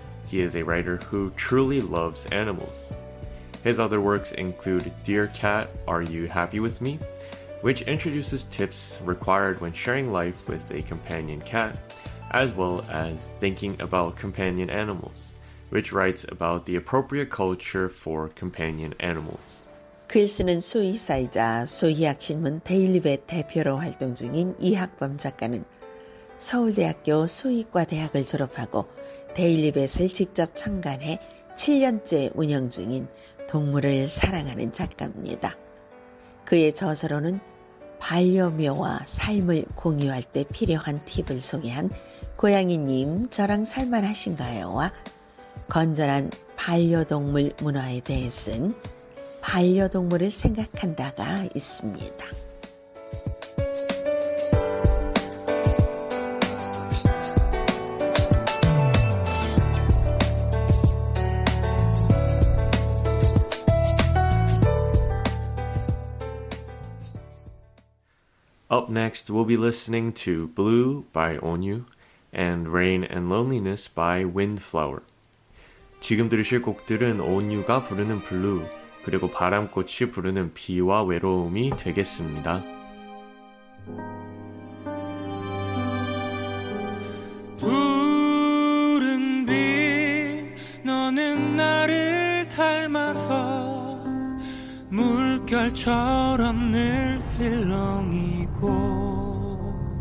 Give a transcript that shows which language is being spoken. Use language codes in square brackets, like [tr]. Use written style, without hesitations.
[en] He is a writer who truly loves animals. His other works include Dear Cat, Are You Happy With Me?, which introduces tips required when sharing life with a companion cat, as well as Thinking About Companion Animals, which writes about the appropriate culture for companion animals. [ko] 글 쓰는 수의사이자 수의학 신문 데일리벳 대표로 활동 중인 이학범 작가는 서울대학교 수의과 대학을 졸업하고 데일리벳을 직접 창간해 7년째 운영 중인 동물을 사랑하는 작가입니다. 그의 저서로는 반려묘와 삶을 공유할 때 필요한 팁을 소개한 고양이님, 저랑 살만하신가요?와 건전한 반려동물 문화에 대해 쓴 반려동물을 생각한다가 있습니다. [en] Up next, we'll be listening to Blue by Onyu and Rain and Loneliness by Windflower. [ko] 지금 들으실 곡들은 온유가 부르는 블루, 그리고 바람꽃이 부르는 비와 외로움이 되겠습니다. 푸른 비 너는 나를 닮아서 물결처럼 늘 힐렁이고